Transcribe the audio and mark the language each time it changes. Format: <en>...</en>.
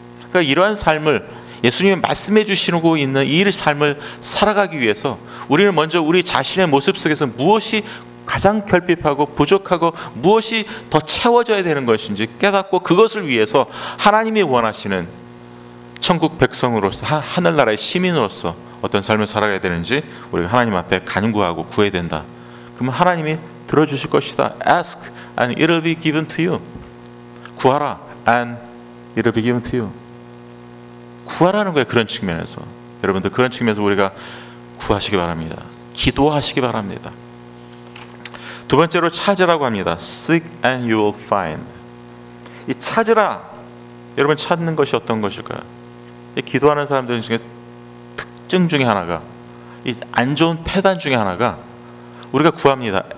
<ko>그러니까 이러한 삶을 예수님이 말씀해 주시고 있는 이 삶을 살아가기 위해서 우리는 먼저 우리 자신의 모습 속에서 무엇이 가장 결핍하고 부족하고 무엇이 더 채워져야 되는 것인지 깨닫고 그것을 위해서 하나님이 원하시는 천국 백성으로서 하늘나라의 시민으로서 어떤 삶을 살아가야 되는지 우리가 하나님 앞에 간구하고 구해야 된다. 그러면 하나님이 들어주실 것이다.</ko> <en>Ask and it will be given to you.</en> <ko>구하라</ko> <en>and it will be given to you.</en> <ko>구하라는 거예요. 그런 측면에서 여러분들 그런 측면에서 우리가 구하시기 바랍니다. 기도하시기 바랍니다. 두 번째로 찾으라고 합니다.</ko> <en>Seek and you will find.</en> <ko>이 찾으라, 여러분 찾는 것이 어떤 것일까요? 이 기도하는 사람들 중에 특징 중에 하나가, 이 안 좋은 패단 중에 하나가 우리가 구합니다.</ko>